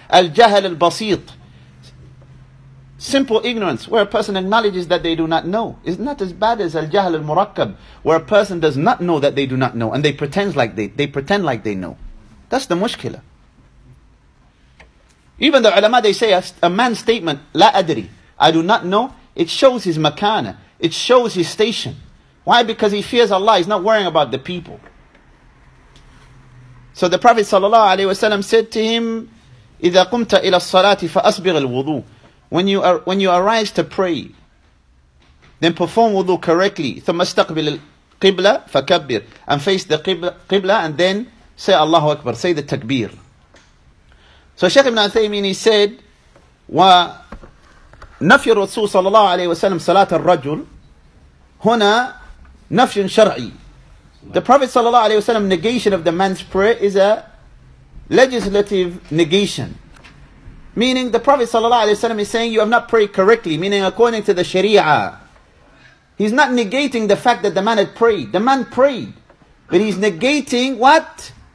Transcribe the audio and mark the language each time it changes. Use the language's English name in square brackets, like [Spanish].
[English] Al-jahal al-basit. Simple ignorance, where a person acknowledges that they do not know, is not as bad as al-jahal al-murakkab, where a person does not know that they do not know, and they pretend like they know. That's the mushkila. Even the ulama, they say a man's statement, la adri, I do not know, it shows his makana, it shows his station. Why? Because he fears Allah, he's not worrying about the people. So the Prophet ﷺ said to him, [Arabic] إِذَا قُمْتَ إِلَى الصَّلَاةِ فَأَصْبِغِ الْوُضُوءِ. [English] When you arise to pray, then perform wudu correctly. [Arabic] ثُمَّ اسْتَقْبِلْ الْقِبْلَ فَكَبِّرْ. [English] And face the qibla and then say Allahu Akbar, say the takbir. So Shaykh ibn Uthaymeen, he said, [Arabic] وَنَفْيُ الرَّسُولُ صَلَى اللَّهُ عَلَيْهِ وَسَلَمْ صَلَاةَ الرَّجُلُ هُنَا نَفْيٌ شَرْعِي. [English] The Prophet صلى الله عليه وسلم, negation of the man's prayer is a legislative negation. Meaning the Prophet ﷺ is saying you have not prayed correctly, meaning according to the Sharia. He's not negating the fact that the man had prayed. The man prayed. But he's negating what?